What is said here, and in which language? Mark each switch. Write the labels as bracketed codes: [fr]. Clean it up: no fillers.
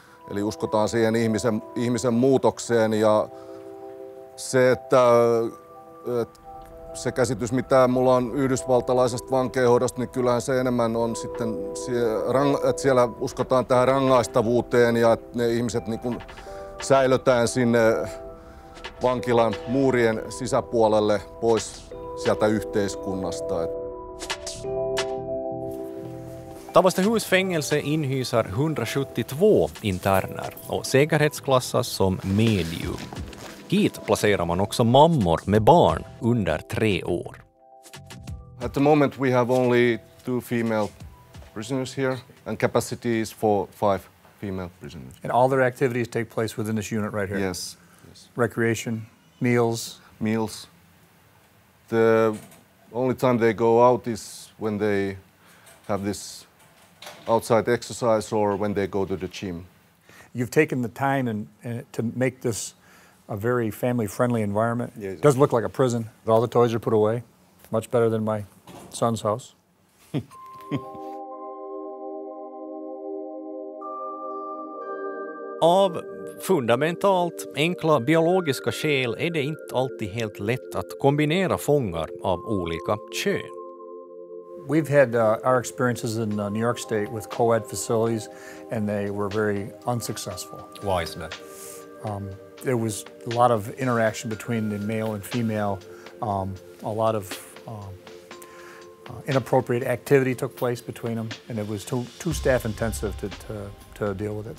[fi] Eli uskotaan siihen ihmisen muutokseen ja se, että se käsitys, mitä mulla on yhdysvaltalaisesta vankeinhoidosta, niin kyllähän se enemmän on sitten, että siellä uskotaan tähän rangaistavuuteen ja että ne ihmiset niin kuin säilötään sinne vankilan muurien sisäpuolelle pois sieltä yhteiskunnasta. [sv] Tavastehusfängelse inhysar 172 interner och säkerhetsklassas som medium. Hit placerar man också mammor med barn under 3 år. [en] At the moment we have only 2 female prisoners here and capacity is for 5 female prisoners. And all their activities take place within this unit right here? Yes. Recreation, meals? Meals. The only time they go out is when they have this outside exercise or when they go to the gym. You've taken the time to make this a very family-friendly environment. It does look like a prison. But all the toys are put away. Much better than my son's house. [sv] Av fundamentalt enkla biologiska skäl är det inte alltid helt lätt att kombinera fångar av olika kön. [en] We've had our experiences in New York State with co-ed facilities, and they were very unsuccessful. Why is that? There was a lot of interaction between the male and female. A lot of inappropriate activity took place between them, and it was too staff intensive to deal with it.